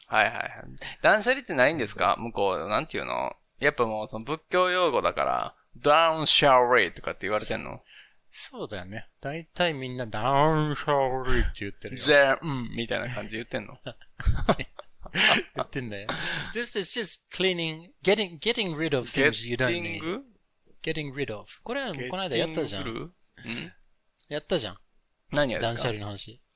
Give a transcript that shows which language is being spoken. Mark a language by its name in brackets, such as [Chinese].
[Japanese] はいはいはい。断捨離ってないんですか？向こう、なんていうの？やっぱもう、その仏教用語だから、ダウンシャーリーとかって言われてんの？そうだよね。だいたいみんなダウンシャーリーって言ってるよ。ゼーンみたいな感じで言ってんの？言ってんだよ。 [English] This is just cleaning, getting rid of things you don't need. Getting rid of. [Japanese] これはこの間やったじゃん。やったじゃん。何やですか？ダウンシャーリーの話。